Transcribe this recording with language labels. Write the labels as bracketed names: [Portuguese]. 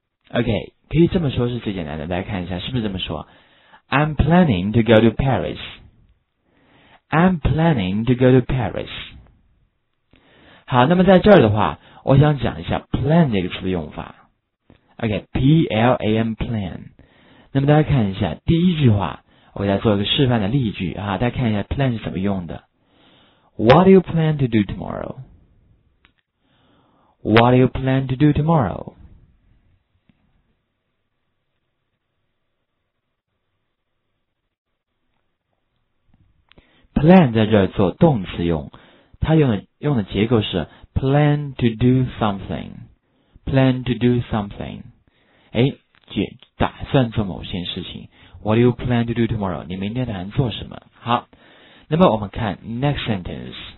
[Chinese] OK， 可以这么说，是最简单的。大家看一下，是不是这么说 ？ [English] I'm planning to go to Paris. I'm planning to go to Paris. [Chinese] 好，那么在这儿的话，我想讲一下 plan 这个词的用法。 OK，P-L-A-N plan。那么大家看一下第一句话，我给大家做一个示范的例句啊，大家看一下 plan 是怎么用的。 [English] What do you plan to do tomorrow? What do you plan to do tomorrow? [Chinese] 在这儿做动词用，它用的结构是 [English] plan to do something。 Plan to do something， [Chinese] 打算做某些事情。 [English] What do you plan to do tomorrow？ [Chinese] 你明天打算做什么？好，那么我们看 [English] next sentence。